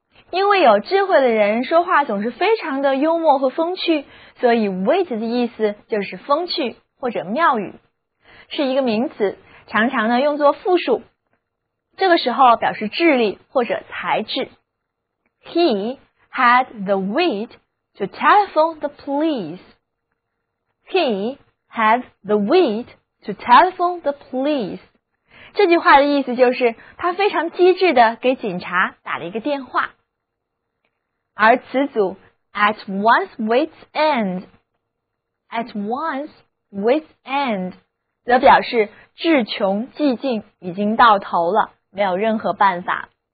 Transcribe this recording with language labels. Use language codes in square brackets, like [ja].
[zh] 因为有智慧的人说话总是非常的幽默和风趣，所以 wit 的意思就是风趣或者妙语，是一个名词，常常呢用作复数，这个时候表示智力或者才智。 [en] He had the wit to telephone the police. He had the wit to telephone the police. [zh] 这句话的意思就是他非常机智的给警察打了一个电话。而词组 [en] at one's wit's end, [zh] at one's wit's end, 则表示智穷寂静，已经到头了，没有任何办法。